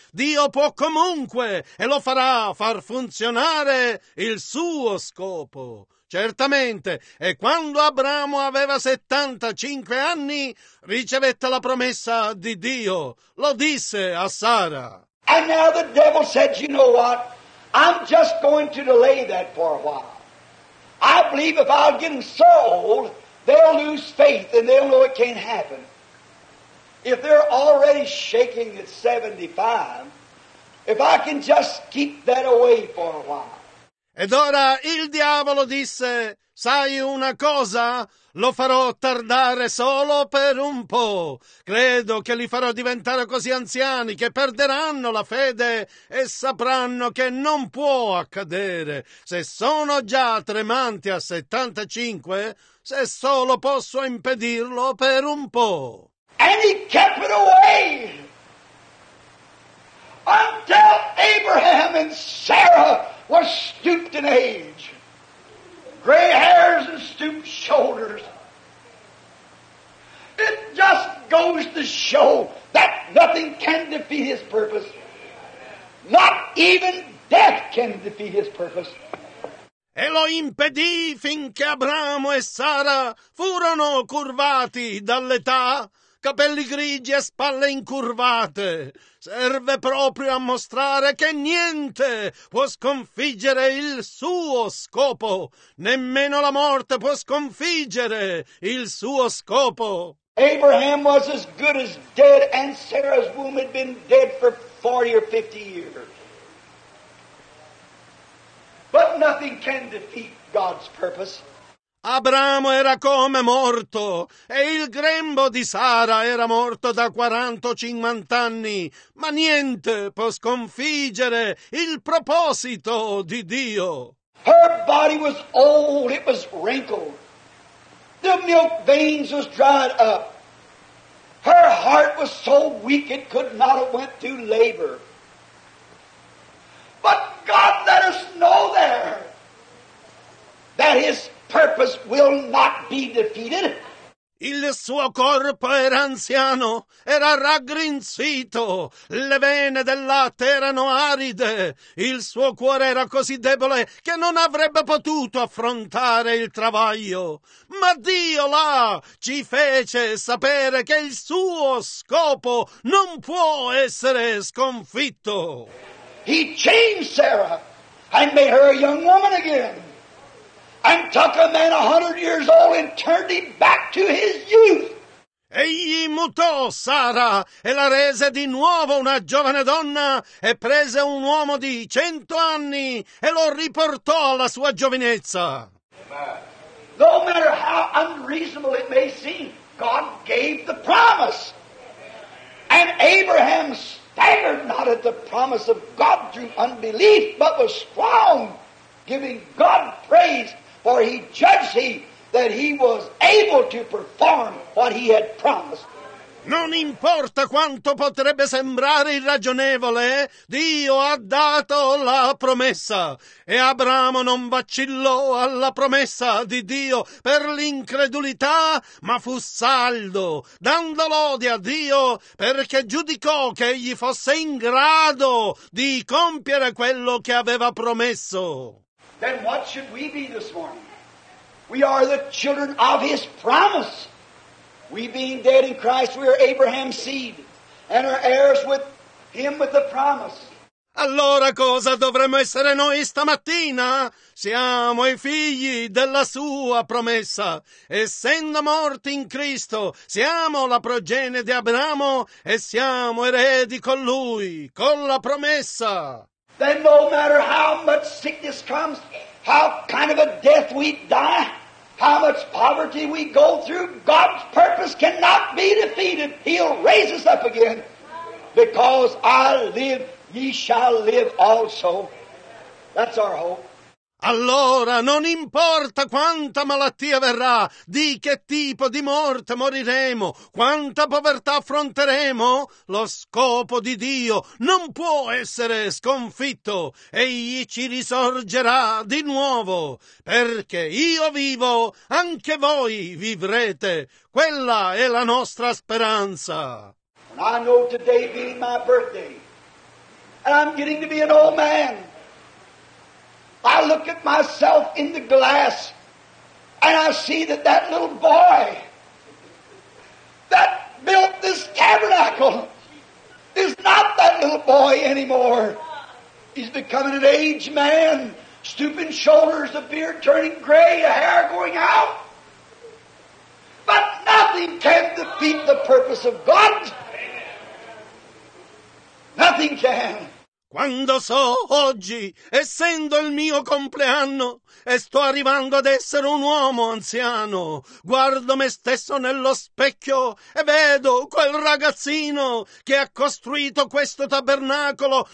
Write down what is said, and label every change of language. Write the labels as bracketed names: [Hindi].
[Italian] Dio può comunque, e lo farà, far funzionare il suo scopo. Certamente, e quando Abramo aveva 75 anni, ricevette la promessa di Dio. Lo disse a Sara. [English] And now the devil said, you know what, I'm just going to delay that for a while. I believe if I'll get them so old, they'll lose faith and they'll know it can't happen. If they're already shaking at 75, if I can just keep that away for a while. [Italian] Ed ora il diavolo disse, sai una cosa? Lo farò tardare solo per un po'. Credo che li farò diventare così anziani che perderanno la fede e sapranno che non può accadere. Se sono già tremanti a 75, se solo posso impedirlo per un po'. [English] And he kept it away until Abraham and Sarah were stooped in age. Gray hairs and stooped shoulders. just goes to show that nothing can defeat his purpose. Not even death can defeat his purpose. [Italian] E lo impedì finché Abramo e Sara furono curvati dall'età. Capelli grigi e spalle incurvate. Serve proprio a mostrare che niente può sconfiggere il suo scopo. Nemmeno la morte può sconfiggere il suo scopo. [English] Abraham was as good as dead, and Sarah's womb had been dead for 40 or 50 years. But nothing can defeat God's purpose. [Italian] Abramo era come morto e il grembo di Sara era morto da 40 o 50 anni, ma niente può sconfiggere il proposito di Dio. [English] Her body was old, it was wrinkled. The milk veins was dried up. Her heart was so weak it could not have went through labor. But God let us know there that his purpose will not be defeated. [Italian] Il suo corpo era anziano, era raggrinzito, le vene del latte erano aride, il suo cuore era così debole che non avrebbe potuto affrontare il travaglio. Ma Dio là ci fece sapere che il suo scopo non può essere sconfitto. [English] He changed Sarah and made her a young woman again. And took a man 100 years old and turned him back to his youth. [Italian] Egli mutò Sara e la rese di nuovo una giovane donna e prese un uomo di 100 anni e lo riportò alla sua giovinezza. [English] No matter how unreasonable it may seem, God gave the promise. And Abraham staggered not at the promise of God through unbelief, but was strong, giving God praise. For he judged he that he was able to perform what he had promised. [Italian] Non importa quanto potrebbe sembrare irragionevole, Dio ha dato la promessa. E Abramo non vacillò alla promessa di Dio per l'incredulità, ma fu saldo, dando lode a Dio perché giudicò che egli fosse in grado di compiere quello che aveva promesso. [English] Then what should we be this morning? We are the children of his promise. We being dead in Christ, we are Abraham's seed and are heirs with him with the promise. [Italian] Allora cosa dovremmo essere noi stamattina? Siamo i figli della sua promessa. Essendo morti in Cristo, siamo la progenie di Abramo e siamo eredi con lui, con la promessa. [English] Then no matter how much sickness comes, how kind of a death we die, how much poverty we go through, God's purpose cannot be defeated. He'll raise us up again. Because I live, ye shall live also. That's our hope. [Italian] Allora, non importa quanta malattia verrà, di che tipo di morte moriremo, quanta povertà affronteremo, lo scopo di Dio non può essere sconfitto, egli ci risorgerà di nuovo, perché io vivo, anche voi vivrete, quella è la nostra speranza. [English] And I know today being my birthday, and I'm getting to be an old man. I look at myself in the glass and I see that that little boy that built this tabernacle is not that little boy anymore. He's becoming an aged man, stooping shoulders, a beard turning gray, a hair going out. But nothing can defeat the purpose of God. Nothing can. [Italian] Quando so oggi, essendo il mio compleanno, e sto arrivando ad essere un uomo anziano, guardo me stesso nello specchio e vedo quel ragazzino che ha costruito questo tabernacolo.